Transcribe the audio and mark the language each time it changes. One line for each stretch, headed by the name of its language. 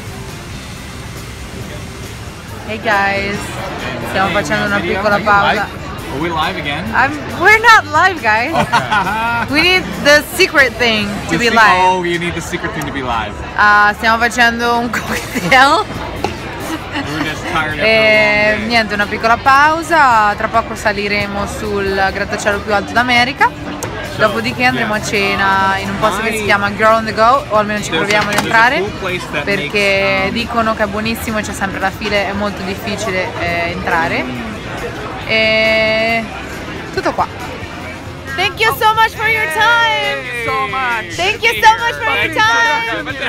English: Look at him. He's got everything he ever wanted. Yeah. Yeah, pa, pa. Yeah, pa. I don't know. Bye, bye. Hey, guys.
Italian: Stiamo facendo una piccola pausa.
English: Are we live again? We're not live, guys. Okay. We need the secret thing to be live. Oh, you need the secret thing to be live.
Italian: Stiamo facendo un cocktail.
English: We're just tired of
Italian: e niente, una piccola pausa. Tra poco saliremo sul grattacielo più alto d'America. So, dopodiché andremo a cena in un posto che si chiama Girl on the Go, o almeno ci proviamo ad entrare, perché dicono che è buonissimo e c'è sempre la fila, è molto difficile entrare. E tutto qua.
English: Thank you so much for your time. Thank you so much. Thank you so much for your time.